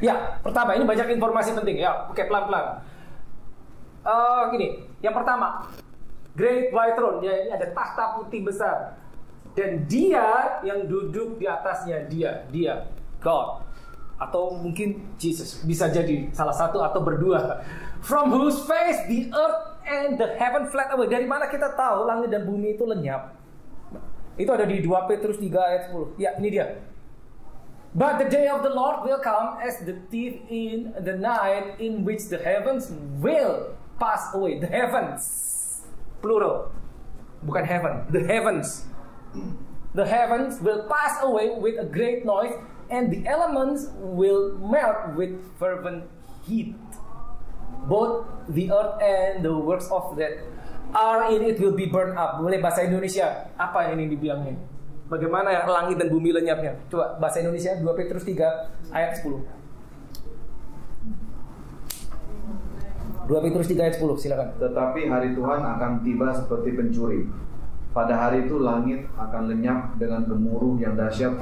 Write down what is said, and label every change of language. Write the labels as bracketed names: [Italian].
[Indonesian] Ya, pertama ini banyak informasi penting ya. Oke, pelan-pelan. Gini, yang pertama, Great White Throne, ya, ini ada tahta putih besar. Dan dia yang duduk di atasnya, dia God atau mungkin Jesus, bisa jadi salah satu atau berdua. [English] From whose face the earth and the heaven fled away. [Indonesian] Dari mana kita tahu langit dan bumi itu lenyap? Itu ada di 2 Petrus 3 ayat 10. Ya, ini dia. [English] But the day of the Lord will come as the thief in the night, in which the heavens will pass away. The heavens, plural, [Indonesian] bukan [English] heaven, the heavens. The heavens will pass away with a great noise, and the elements will melt with fervent heat. Both the earth and the works of that are in it will be burned up. [Indonesian] Boleh bahasa Indonesia? Apa ini dibilangnya? Bagaimana ya langit dan bumi lenyapnya? Coba bahasa Indonesia 2 Petrus 3 ayat 10. 2 Petrus 3 ayat 10, silakan. Tetapi hari Tuhan akan tiba seperti pencuri. Pada hari itu langit akan lenyap dengan gemuruh yang dahsyat.